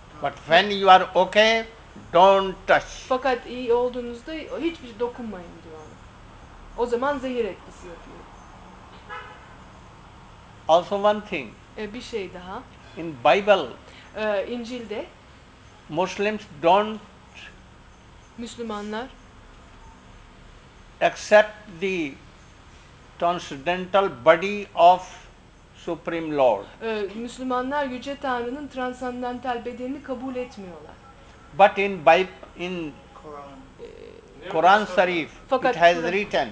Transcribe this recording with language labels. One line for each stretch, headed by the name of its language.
English: But when you are okay, don't touch.
Turkish: Fakat iyi olduğunuzda hiçbir şey dokunmayın diyor. O zaman zehir etkisi yapıyor.
English: Also one thing.
Turkish: Bir şey daha.
English: In Bible.
Turkish: İncil'de
English: Muslims don't
Turkish: Müslümanlar
English: accept the transcendental body of Supreme Lord.
Turkish: Müslümanlar Yüce Tanrı'nın transcendental bedenini kabul etmiyorlar.
English: But in Kur'an Sharif it has written.